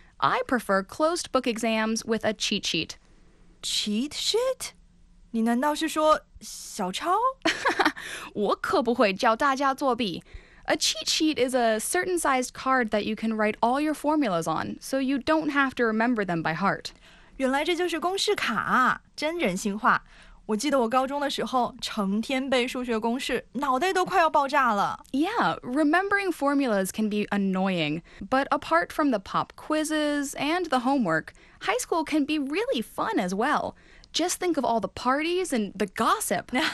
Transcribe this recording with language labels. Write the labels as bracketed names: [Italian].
[English] I prefer closed book exams with a cheat sheet. [Chinese] Cheat sheet? 你难道是说小抄? 我可不会教大家作弊。 [English] A cheat sheet is a certain sized card that you can write all your formulas on, so you don't have to remember them by heart. [Chinese] 原来这就是公式卡,真人性化。我记得我高中的时候,成天背数学公式,脑袋都快要爆炸了。 [English] Yeah, remembering formulas can be annoying, but apart from the pop quizzes and the homework, high school can be really fun as well. Just think of all the parties and the gossip.